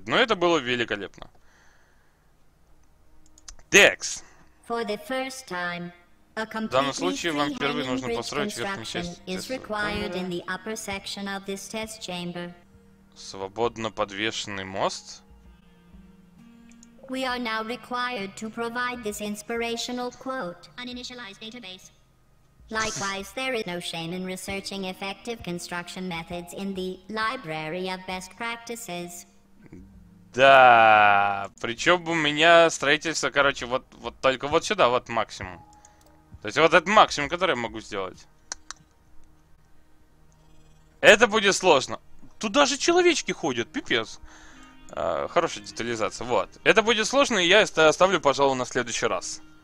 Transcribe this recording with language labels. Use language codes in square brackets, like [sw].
[ru] Но это было великолепно. Декс. В данном случае вам впервые нужно построить верхнюю часть. Свободно подвешенный мост. [en] We are now required to provide this inspirational quote. Uninitialized database. Likewise, there is no shame in researching effective construction methods in the library of best practices. [ru] Да, причем у меня строительство, короче, вот, вот только вот сюда, вот максимум. То есть вот этот максимум, который я могу сделать. Это будет сложно. Тут даже человечки ходят, пипец. Хорошая детализация, вот. Это будет сложно, и я это оставлю, пожалуй, на следующий раз.